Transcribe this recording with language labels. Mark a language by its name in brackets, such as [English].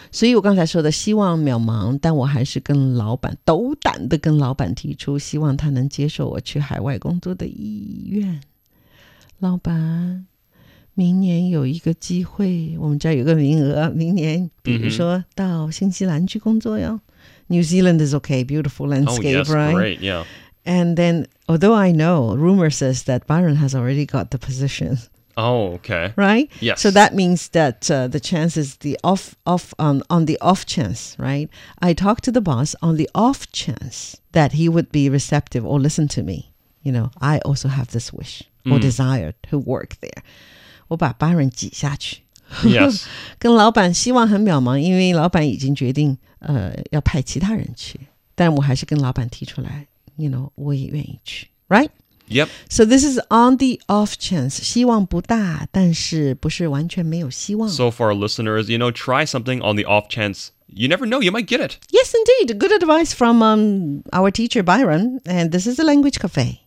[Chinese] 所以我刚才说的希望渺茫，但我还是跟老板，斗胆地跟老板提出，希望他能接受我去海外工作的意愿。老板，明年有一个机会，我们家有个名额，明年比如说到新西兰去工作哟。 [English] New Zealand is okay, beautiful landscape, oh, yes, right? Oh, yes, great, yeah. And then, although I know, rumor says that Byron has already got the position. Oh, okay. Right? Yes. So that means that the chance is the on the off chance, right? I talked to the boss on the off chance that he would be receptive or listen to me. You know, I also have this wish or desire to work there. [Chinese] 我把 Byron 挤下去。 [English] Yes. [Chinese] 跟老板希望很渺茫，因为老板已经决定要派其他人去。但我还是跟老板提出来。 [English] You know, [Chinese] 我也愿意去 [English] right? Yep. So this is on the off chance. [Chinese] 希望不大，但是不是完全没有希望。 [English] So for our listeners, you know, try something on the off chance. You never know, you might get it. Yes, indeed. Good advice from our teacher, Byron. And this is the Language Cafe.